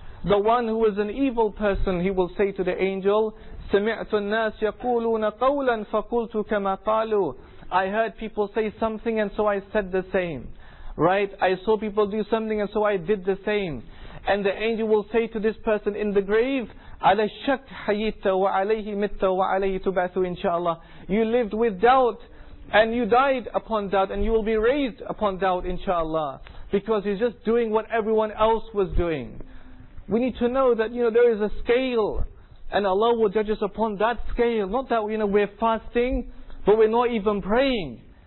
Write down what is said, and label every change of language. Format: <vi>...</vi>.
<en>The one who is an evil person, he will say to the angel,</en> <ar>سَمِعْتُ النَّاسِ يَقُولُونَ قَوْلًا فَقُلْتُ كَمَا قَالُوا.</ar> <en>I heard people say something and so I said the same. Right? I saw people do something and so I did the same. And the angel will say to this person in the grave,</en> <ar>على الشك حييت وعليه مت وعليه تبعث إن شاء الله.</ar> <en>You lived with doubt and you died upon doubt and you will be raised upon doubt inshallah, because you're just doing what everyone else was doing. We need to know that, you know, there is a scale and Allah will judge us upon that scale. Not that, you know, we're fasting but we're not even praying.</en>